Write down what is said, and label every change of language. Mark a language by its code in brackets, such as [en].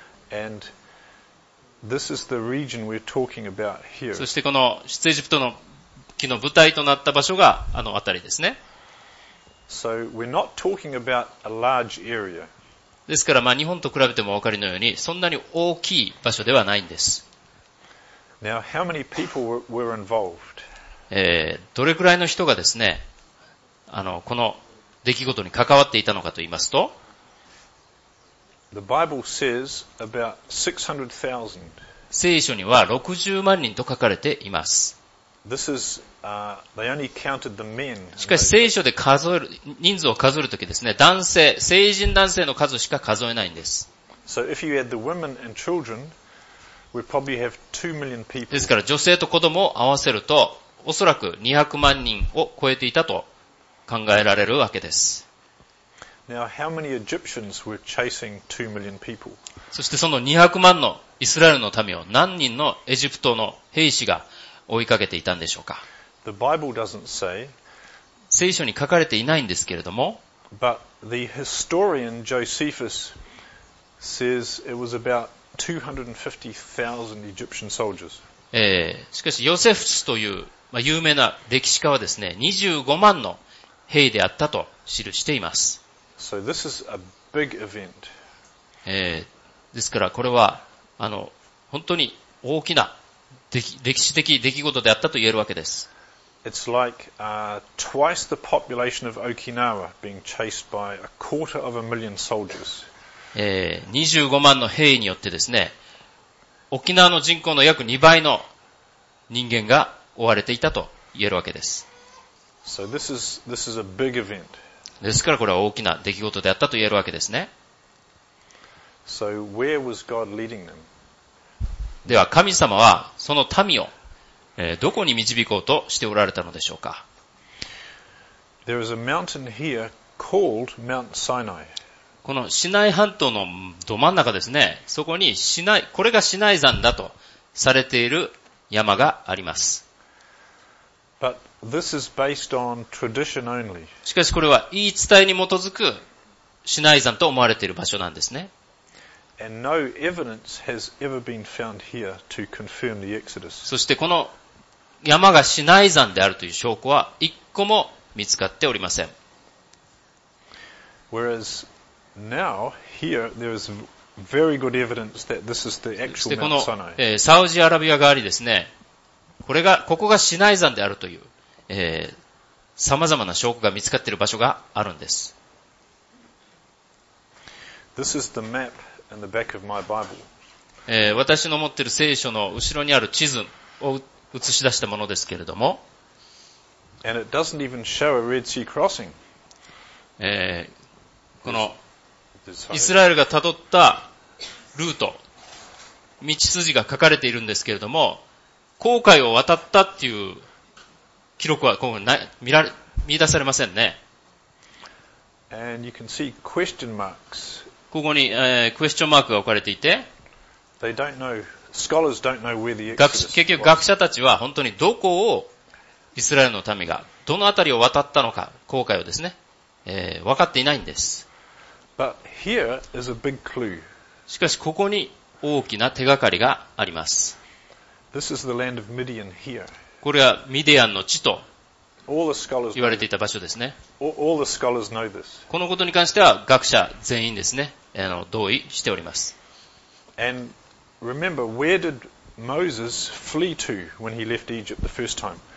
[en] And this is the region we're talking about here. [ja] そしてこの出エジプトの木の舞台となった場所があの辺りですね。 [en] So we're not talking about a large area. [ja] ですから、日本と比べてもお分かりのように、そんなに大きい場所ではないんです。 [en] Now, how many people were involved? [ja] どれくらいの人がですね、この出来事に関わっていたのかと言いますと、 [en] The Bible says about 600,000. [ja] 聖書には60万人と書かれています。 [en] This is, they only counted the men. [ja] しかし聖書で数える、人数を数えるときですね、男性、成人男性の数しか数えないんです。 [en] So if you had the women and children, we probably have 2 million people. [ja] ですから女性と子供を合わせると、おそらく200万人を超えていたと考えられるわけです。 [en] Now, how many Egyptians were chasing 2 million people? [ja] そしてその200万のイスラエルの民を何人のエジプトの兵士が追いかけていたんでしょうか。 [en] The Bible doesn't say, [ja] 聖書に書かれていないんですけれども、 [en] But the historian Josephus says it was about 250,000 Egyptian soldiers. [ja] しかし、ヨセフスという、まあ、有名な歴史家はですね、25万の兵であったと記しています。 [en] So this is a big event. [ja] ですから、これは、本当に大きな歴史的出来事であったと言えるわけです。 [en] It's like, twice the population of Okinawa being chased by a quarter of a million soldiers. [ja] 25万の兵によってですね、沖縄の人口の約2倍の人間が追われていたと言えるわけです。 [en] So this is a big event. [ja] ですからこれは大きな出来事であったと言えるわけですね。 [en] So where was God leading them? [ja] では神様はその民をどこに導こうとしておられたのでしょうか。 [en] There is a mountain here called Mount Sinai. [ja] このシナイ半島のど真ん中ですね。そこにシナイ、これがシナイ山だとされている山があります。 [en] But this is based on tradition only. [ja] しかしこれは言い伝えに基づくシナイ山と思われている場所なんですね。 [en] And no evidence has ever been found here to confirm the Exodus. [ja] そしてこの山がシナイ山であるという証拠は一個も見つかっておりません。 [en] Whereas now here there is very good evidence that this is the actual Mount Sinai. [ja] そしてこのサウジアラビア側にですね、これがここがシナイ山であるというさまざまな証拠が見つかっている場所があるんです。 [en] This is the map. In the back of my Bible. [ja] 私の持っている聖書の後ろにある地図を映し出したものですけれども、 [en] And it doesn't even show a Red Sea crossing. [ja] このイスラエルが辿ったルート、道筋が書かれているんですけれども、紅海を渡ったっていう記録は見出されませんね。 [en] And you can see question marks. [ja] ここに、クエスチョンマークが置かれていて、学者たちは本当にどこをイスラエルの民がどのあたりを渡ったのか、後悔をですね、分かっていないんです。 [en] But here is a big clue. [ja] しかしここに大きな手がかりがあります。 [en] This is the land of Midian here. [ja] これはミディアンの地と言われていた場所ですね。 [en] All the scholars know this. [ja] このことに関しては学者全員ですね。同意しております。 [en] And remember, where did Moses flee to when he left Egypt the first time?